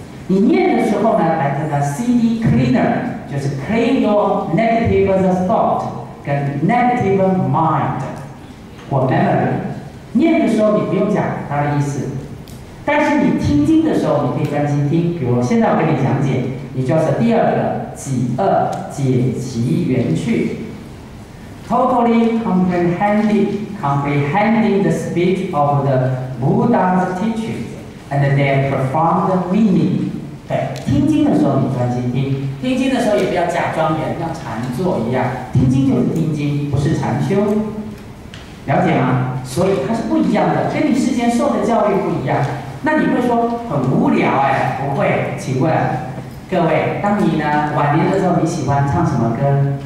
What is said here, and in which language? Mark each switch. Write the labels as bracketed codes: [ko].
[zh] 你念的时候呢，来看看 CD cleaner， 就是 [en] clean your negative thought [zh] 跟 [en] negative mind [zh] 或 memory。 念的时候你不用讲它的意思，但是你听经的时候，你可以专心听，比如现在我跟你讲解，你就是第二个己恶解其缘去。 [en] Totally comprehending the speech of the Buddha's teachings and their profound meaning. [zh] 对，听经的时候你专心听，听经的时候也不要假装人，像禅坐一样，听经就是听经，不是禅修，了解吗？所以它是不一样的，跟你世间受的教育不一样。那你会说很无聊哎？不会，请问各位，当你呢晚年的时候，你喜欢唱什么歌？